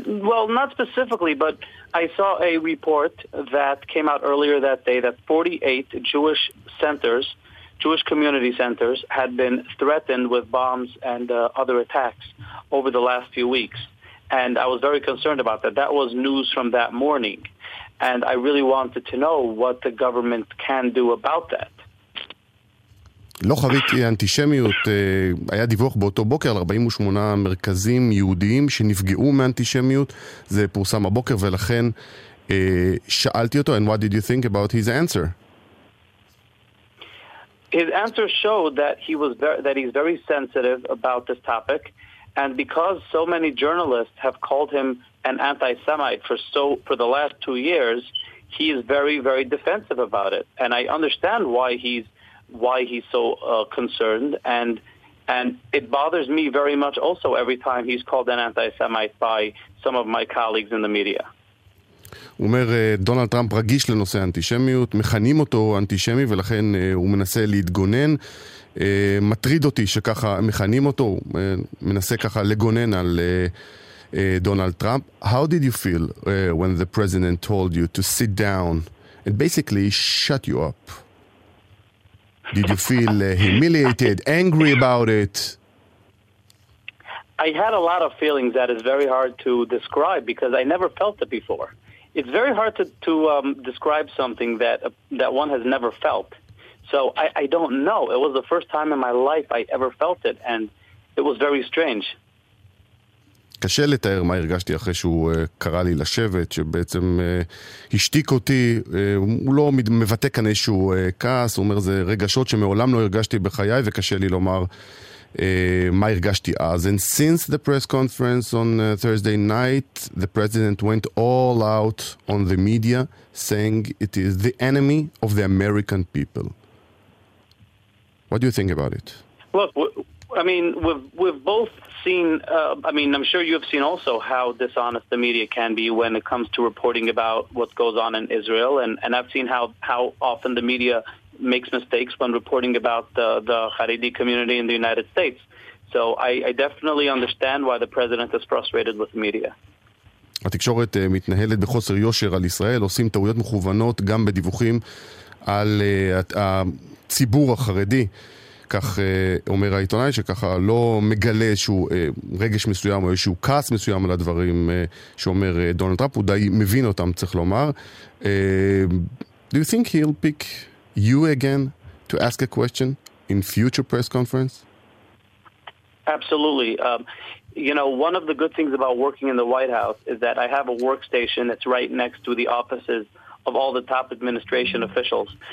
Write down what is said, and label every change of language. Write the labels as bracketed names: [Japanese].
[English] Well, not specifically, but I saw a report that came out earlier that day that 48 Jewish centers, Jewish community centers, had been threatened with bombs and other attacks over the last few weeks. And I was very concerned about that. That was news from that morning. And I really wanted to know what the government can do about that. [Hebrew] לא חוויתי אנטישמיות, היה דיווח באותו בוקר על 48 מרכזים יהודיים שנפגעו מאנטישמיות, זה פורסם הבוקר ולכן שאלתי אותו, [English] and what did you think about his answer? His answer showed that he's very sensitive about this topic, and because so many journalists have called him an anti-Semite for the last 2 years, he is very, very defensive about it, and I understand why he's so concerned, and it bothers me very much also every time he's called an anti-Semite by some of my colleagues in the media. [Hebrew] הוא אומר, דונלד טראמפ רגיש לנושא האנטישמיות, מכנים אותו אנטישמי, ולכן הוא מנסה להתגונן. מטריד אותי שככה מכנים אותו, מנסה ככה לגונן על דונלד טראמפ. [English] How did you feel when the president told you to sit down and basically shut you up? Did you feel humiliated, angry about it? I had a lot of feelings that is very hard to describe because I never felt it before. It's very hard to describe something that one has never felt. So I don't know. It was the first time in my life I ever felt it, and it was very strange. [Hebrew] קשה לתאר מה הרגשתי אחרי שהוא קרא לי לשבת, שבעצם השתיק אותי. הוא לא מבטא כאן איזשהו כעס, הוא אומר, זה רגשות שמעולם לא הרגשתי בחיי, וקשה לי לומר מה הרגשתי אז. [English] And since the press conference on Thursday night, the president went all out on the media, saying it is the enemy of the American people. What do you think about it? Look, I mean, we've both seen, I mean, I'm sure you've seen also how dishonest the media can be when it comes to reporting about what goes on in Israel. And I've seen how often the media makes mistakes when reporting about the Haredi community in the United States. So I definitely understand why the president is frustrated with the media. [Hebrew] התקשורת מתנהלת בחוסר יושר על ישראל, עושים טעויות מכוונות גם בדיווחים על הציבור החרדי. כך אומר העיתונאי, שככה לא מגלה איזשהו רגש מסוים או איזשהו כעס מסוים על הדברים שאומר דונלד טראמפ. הוא די מבין אותם, צריך לומר. [English] Do you think he'll pick you again to ask a question in future press conference? Absolutely. You know, one of the good things about working in the White House is that I have a workstation that's right next to the offices of all the top administration officials.